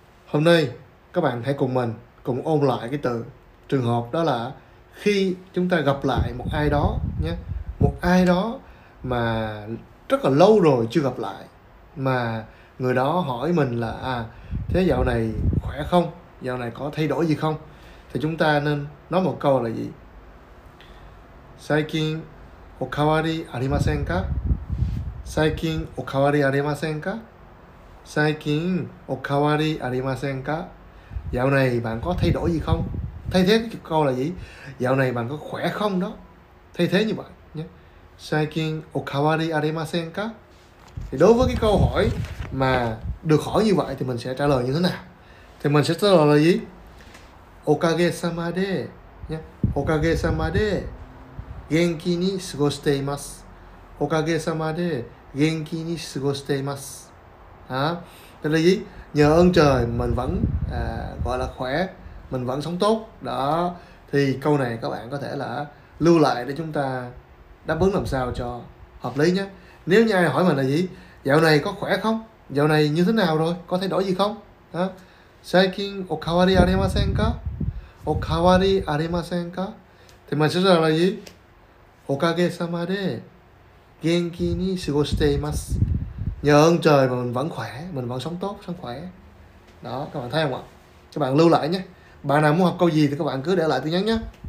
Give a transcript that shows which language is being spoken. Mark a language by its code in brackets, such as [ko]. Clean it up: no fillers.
[vi] Hôm nay các bạn hãy cùng mình cùng ôn lại cái từ trường hợp, đó là khi chúng ta gặp lại một ai đó nhé, một ai đó mà rất là lâu rồi chưa gặp lại, mà người đó hỏi mình là thế dạo này khỏe không, dạo này có thay đổi gì không, thì chúng ta nên nói một câu là gì? [ja] 最近 お変わりありませんか？最近お変わりありませんか？最近お変わりありませんか？ [vi] Dạo này bạn có thay đổi gì không? Thay thế cái câu là gì? Dạo này bạn có khỏe không đó? Thay thế như vậy nhé. [ja] 最近お変わりありませんか？ [vi] Thì đối với cái câu hỏi mà được hỏi như vậy thì mình sẽ trả lời như thế nào? Thì mình sẽ trả lời là gì? [ja] おかげさまで [vi] nhé. [ja] おかげさまで元気に過ごしています。おかげさまで元気に過ごしています。 [vi] À, đó là gì? Nhờ ơn trời mình vẫn gọi là khỏe, mình vẫn sống tốt. Đó, thì câu này các bạn có thể là lưu lại để chúng ta đáp ứng làm sao cho hợp lý nhé. Nếu như ai hỏi mình là gì? Dạo này có khỏe không? Dạo này như thế nào rồi? Có thay đổi gì không? [ja] À, 最近お変わりありませんか？お変わりありませんか？ [vi] Thì mình sẽ là gì? [ja] おかげさまで元気に過ごしています。 [vi] Nhờ ơn trời mà mình vẫn khỏe, mình vẫn sống tốt, sống khỏe. Đó, các bạn thấy không ạ? Các bạn lưu lại nhé. Bạn nào muốn học câu gì thì các bạn cứ để lại tin nhắn nhé.